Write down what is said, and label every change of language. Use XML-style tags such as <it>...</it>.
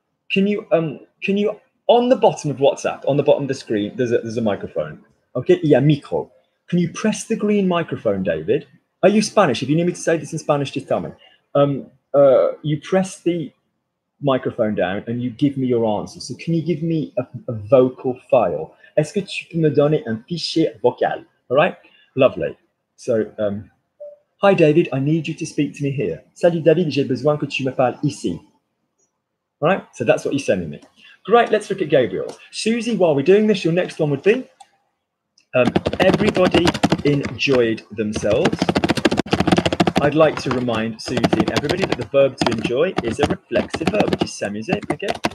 <en>Can you on the bottom of WhatsApp, on the bottom of the screen, there's a microphone. Okay, yeah, Mico. Can you press the green microphone, David? Are you Spanish? If you need me to say this in Spanish, just tell me. You press the microphone down and you give me your answer. So can you give me a vocal file?</en> <fr>Es que tu peux me donner un fichier vocal?</fr> <en>All right, lovely. So, hi, David, I need you to speak to me here.</en> <fr>Salut, David, j'ai besoin que tu me parles ici.</fr> <en>All right, so that's what you're sending me. Great, let's look at Gabriel. Susie, while we're doing this, your next one would be, everybody enjoyed themselves. I'd like to remind Susie and everybody that the verb to enjoy is a reflexive verb, which is semi-zip, okay?</en>